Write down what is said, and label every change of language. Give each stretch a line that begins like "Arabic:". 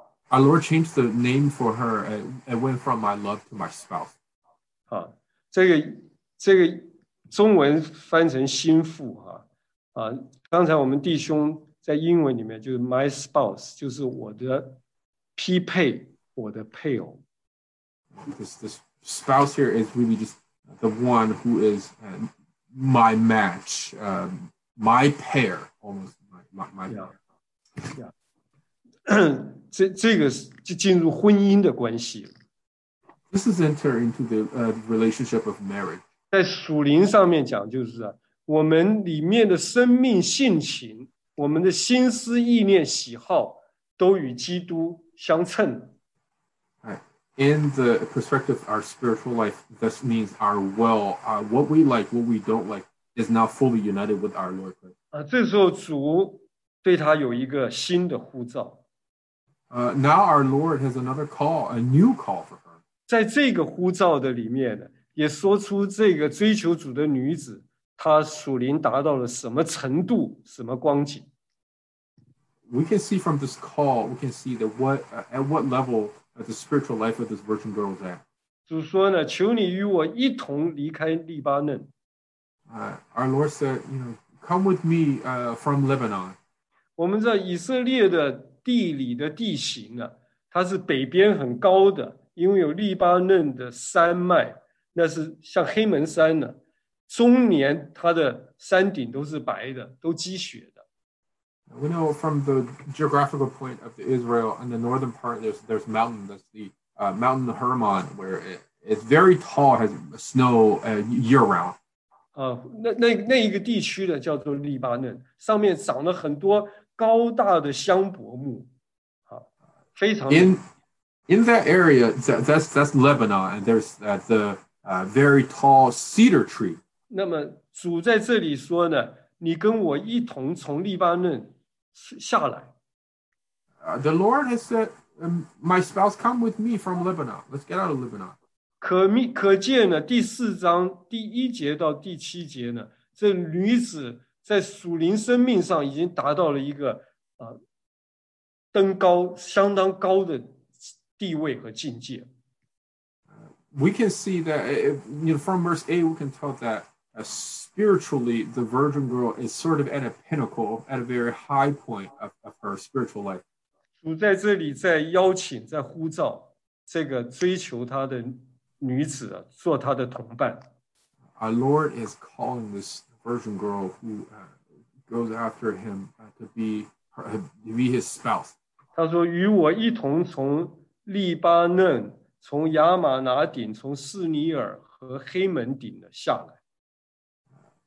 English: Our Lord changed the name for her. It went from my love to my spouse.
Chinese: 这个中文翻成心腹啊，刚才我们弟兄在英文里面就是
English: my spouse，
Chinese: 就是我的匹配，我的配偶。
English: This spouse here is really just the one who is my match, my pair, almost my pair. Yeah.
Chinese: 这个就进入婚姻的关系了。
English: This is enter into the relationship of marriage.
Chinese: 在属灵上面讲，就是我们里面的生命性情，我们的心思意念喜好都与基督相称。
English: In the perspective of our spiritual life, this means our will, what we like, what we don't like, is now fully united with our Lord Christ.
Chinese: 这时候主对他有一个新的呼召。
English: Now our Lord has another call, a new call for her.
Chinese: 在这个呼召的里面呢，也说出这个追求主的女子，她属灵达到了什么程度，什么光景。
English: We can see from this call, we can see that at what level the spiritual life of this virgin girl is at.
Chinese: 主说呢，求你与我一同离开黎巴嫩。
English: Our Lord said, you know, come with me from Lebanon.
Chinese: 我们在以色列的地理的地形啊，它是北边很高的，因为有黎巴嫩的山脉，那是像黑门山呢，终年它的山顶都是白的，都积雪。
English: We know from the geographical point of Israel, in the northern part, there's mountain. That's the mountain of Hermon, where it's very tall, has snow year-round.
Chinese: 那一个地区的叫做黎巴嫩，上面长了很多高大的香柏木，非常。
English: In that area, that's Lebanon, and there's the very tall cedar tree.
Chinese: 那么主在这里说呢，你跟我一同从黎巴嫩。下来。
English: The Lord has said, my spouse, come with me from Lebanon. Let's get out of Lebanon.
Chinese: 可见呢，第四章第一节到第七节呢，这女子在属灵生命上已经达到了一个登高相当高的地位和境界。
English: We can see that from verse 8, we can tell that spiritually, the virgin girl is sort of at a pinnacle, at a very high point of her spiritual life.
Chinese: 主在这里在邀请，在呼召这个追求他的女子做他的同伴。
English: Our Lord is calling this virgin girl who goes after him to be his spouse.
Chinese: 他说：“与我一同从黎巴嫩、从亚玛拿顶、从示尼尔和黑门顶的下来。”